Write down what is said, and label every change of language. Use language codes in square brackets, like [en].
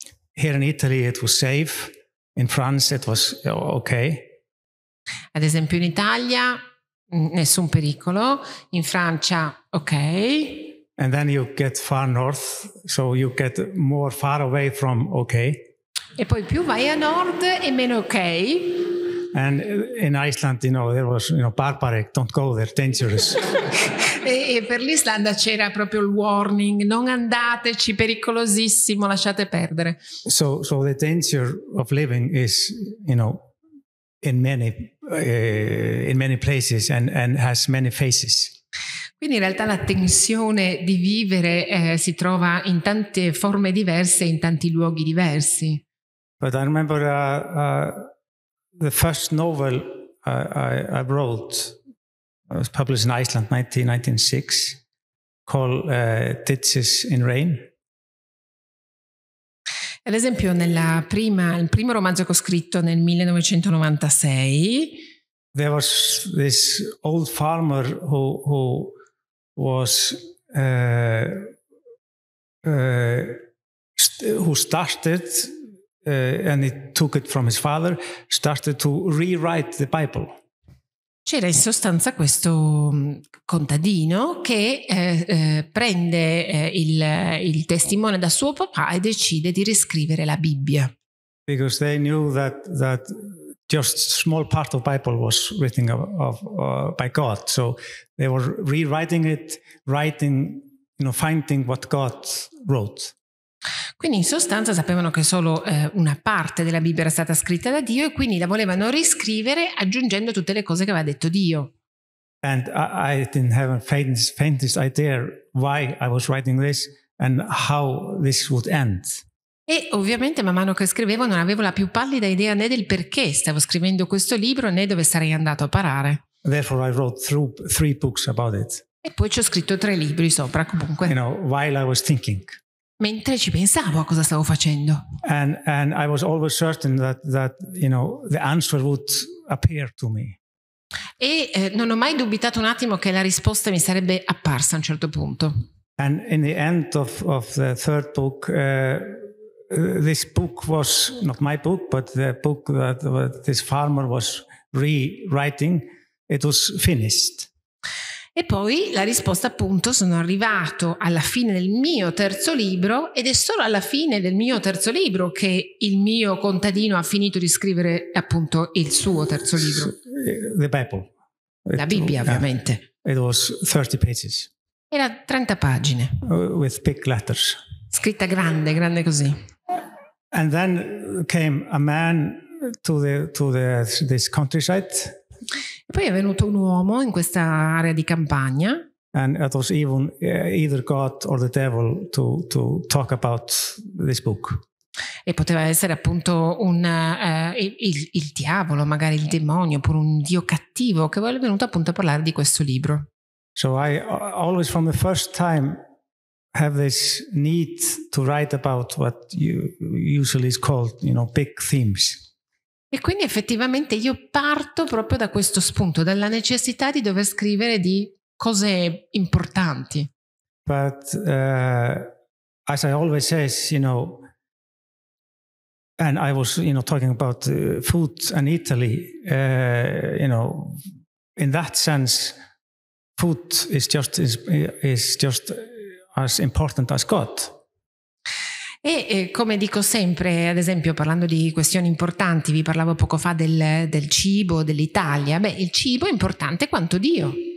[en] Here in Italy it was safe, in France it was okay. [it] Ad esempio in Italia nessun pericolo, in Francia ok. [en] And then you get far north, so you get more far away from okay. [it] E poi più vai a nord e meno ok. [en] And in Iceland, you know, there was, you know, Barbaric, don't go there, dangerous. [it] E per l'Islanda c'era proprio il warning, non andateci, pericolosissimo, lasciate perdere. [en] So the danger of living is, you know, in many places and has many faces. [it] Quindi in realtà la tensione di vivere si trova in tante forme diverse, in tanti luoghi diversi. [en] But I remember the first novel I wrote, it was published in Iceland 1996, called Ditches in Rain. [it] Ad esempio, il primo romanzo che ho scritto nel 1996. [en] There was this old farmer who was who started and he took it from his father, started to rewrite the Bible. [it] C'era in sostanza questo contadino che prende il testimone da suo papà e decide di riscrivere la Bibbia. [en] Because they knew that just small part of the Bible was written by God, so they were rewriting it, writing, you know, finding what God wrote. [it] Quindi in sostanza sapevano che solo una parte della Bibbia era stata scritta da Dio e quindi la volevano riscrivere aggiungendo tutte le cose che aveva detto Dio. [en] And I didn't have a faintest idea why I was writing this and how this would end. [it] E ovviamente man mano che scrivevo non avevo la più pallida idea né del perché stavo scrivendo questo libro né dove sarei andato a parare. [en] Therefore I wrote three books about it. [it] E poi ci ho scritto tre libri sopra comunque. [en] You know, while I was thinking. [it] Mentre ci pensavo a cosa stavo facendo. [en] And I was always certain that you know, the answer would appear to me. [it] Non ho mai dubitato un attimo che la risposta mi sarebbe apparsa a un certo punto. [en] And in the end of the third book, this book was not my book, but the book that this farmer was rewriting, it was finished. [it] E poi la risposta, appunto, sono arrivato alla fine del mio terzo libro ed è solo alla fine del mio terzo libro che il mio contadino ha finito di scrivere, appunto, il suo terzo libro. [en] The Bible. [it] La Bibbia, ovviamente. [en] It was 30 pages. [it] Era 30 pagine. [en] With big letters. [it] Scritta grande così. [en] And then came a man to this countryside. [it] E poi è venuto un uomo in questa area di campagna. [en] And it was even either God or the devil to talk about this book. [it] E poteva essere appunto il diavolo, magari il demonio, oppure un dio cattivo che vuole venuto appunto a parlare di questo libro. [en] So I always from the first time have this need to write about what usually is called, you know, big themes. [it] E quindi effettivamente io parto proprio da questo spunto, dalla necessità di dover scrivere di cose importanti. [en] But as I always say, you know, and I was, you know, talking about food and Italy, you know, in that sense, food is just as important as God. [it] E come dico sempre, ad esempio, parlando di questioni importanti, vi parlavo poco fa del cibo, dell'Italia. Beh, il cibo è importante quanto Dio.